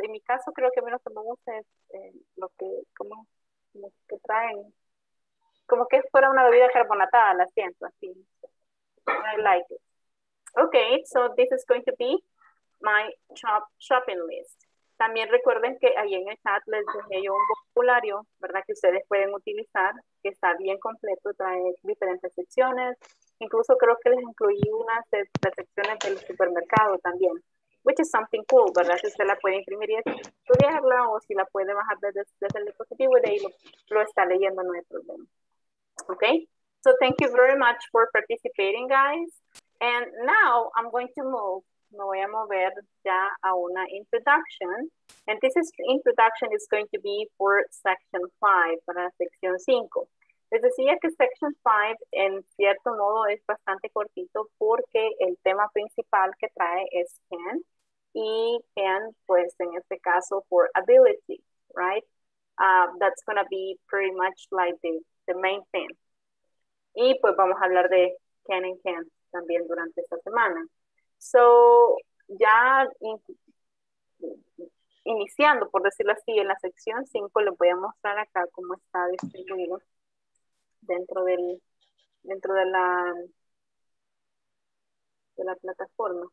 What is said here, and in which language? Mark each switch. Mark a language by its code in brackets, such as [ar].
[es] En mi caso, creo que menos que me gusta es lo que, como que traen, como que fuera una bebida carbonatada, la siento así. [en] I like it. Okay, so this is going to be my shopping list. [es] También recuerden que ahí en el chat les dejé yo un vocabulario, ¿verdad? Que ustedes pueden utilizar, que está bien completo, trae diferentes secciones. Incluso creo que les incluí unas de las secciones del supermercado también. [en] Which is something cool, [es] ¿verdad? Si usted la puede imprimir y estudiarla, o si la puede bajar desde el dispositivo y de ahí lo está leyendo, no hay problema. [en] Okay? So thank you very much for participating, guys. And now I'm going to move. [es] Me voy a mover ya a una [en] introduction. And this is, introduction is going to be for section 5, [es] para sección 5. Les decía que section 5 en cierto modo es bastante cortito porque el tema principal que trae es can, y can, pues en este caso [en] for ability, [es] right? [en] That's gonna be pretty much like the main thing. [es] Y pues vamos a hablar de can and can't también durante esta semana. So ya iniciando, por decirlo así, en la sección 5 les voy a mostrar acá cómo está distribuido dentro de la plataforma.